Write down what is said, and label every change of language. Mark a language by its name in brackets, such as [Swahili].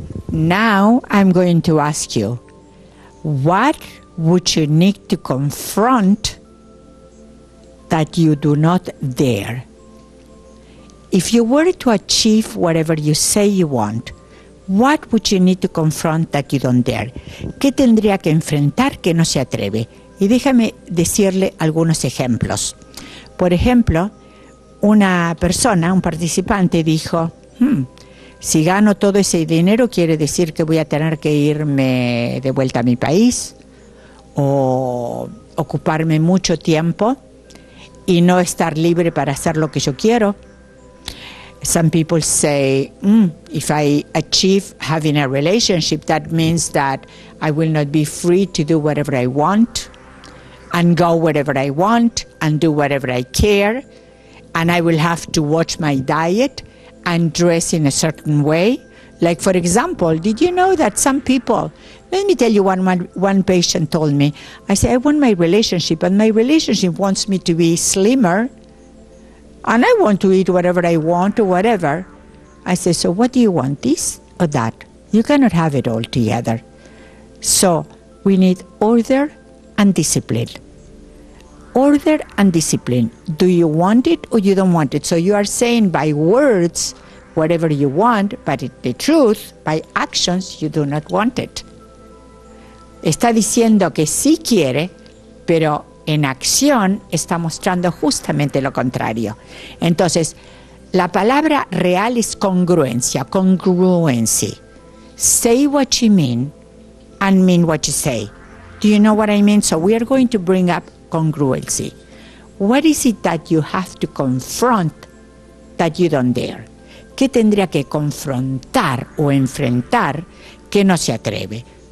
[English] Now I'm going to ask you, what would you need to confront that you do not dare? If you were to achieve whatever you say you want, what would you need to confront that you don't dare? [Spanish] ¿Qué tendría que enfrentar que no se atreve? Y déjame decirle algunos ejemplos. Por ejemplo, una persona, un participante dijo, si gano todo ese dinero, quiere decir que voy a tener que irme de vuelta a mi país o ocuparme mucho tiempo y no estar libre para hacer lo que yo quiero. [English] Some people say, if I achieve having a relationship, that means that I will not be free to do whatever I want and go wherever I want and do whatever I care, and I will have to watch my diet and dress in a certain way. Like, for example, did you know that some people, let me tell you, one patient told me, I say, I want my relationship, and my relationship wants me to be slimmer, and I want to eat whatever I want or whatever. I say, so what do you want, this or that? You cannot have it all together. So we need order and discipline. Order and discipline. Do you want it or you don't want it? So you are saying by words whatever you want, but the truth, by actions, you do not want it. [Spanish] Está diciendo que sí quiere, pero en acción está mostrando justamente lo contrario. Entonces, la palabra real es congruencia, congruency. [English] Say what you mean and mean what you say. Do you know what I mean? So we are going to bring up congruency. What is it that you have to confront that you don't dare? [Spanish] ¿Qué tendría que confrontar o enfrentar que no se atreve?